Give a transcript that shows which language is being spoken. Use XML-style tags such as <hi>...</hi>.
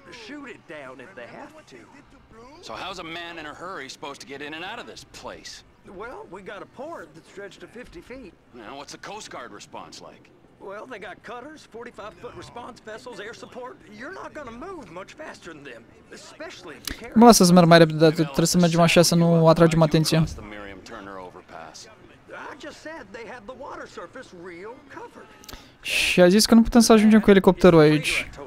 <en>Shoot it down if they have to. So how's a man in a hurry supposed to get in and out of this place? Well, we got a port that stretched to 50 feet. Now, what's the Coast Guard response like? Well, they got cutters, 45-foot response vessels, air support. You're not gonna move much faster than them, especially if you carry...</en> <ro>Mă lasă să merg mai repede, dar trebuie să mergem așa să nu atragem atenția.</ro> <en>The Miriam Turner overpass. I just said they have the water surface real covered.</en> <ro>Și a zis că nu putem să ajungem cu elicopterul aici.</ro>